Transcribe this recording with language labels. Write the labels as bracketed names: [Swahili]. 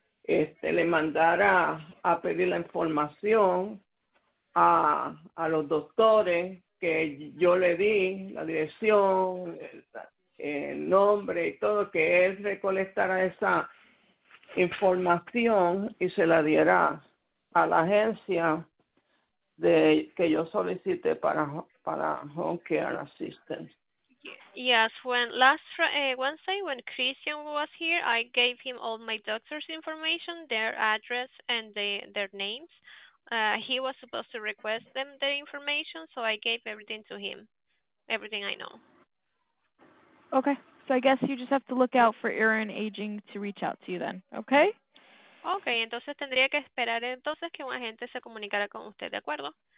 [Spanish] le mandara a pedir la información a los doctores que yo le di la dirección, el nombre y todo, que él recolectara esa información y se la diera a la agencia de que yo solicité para Home Care Assistance. [English] Yes, when last Wednesday when Christian was here, I gave him all my doctor's information, their address, and their names. He was supposed to request them their information, so I gave everything to him, everything I know. Okay, so I guess you just have to look out for Erin Aging to reach out to you then, okay? [Spanish] Okay, entonces tendría que esperar entonces que un agente se comunicara con usted, ¿de acuerdo?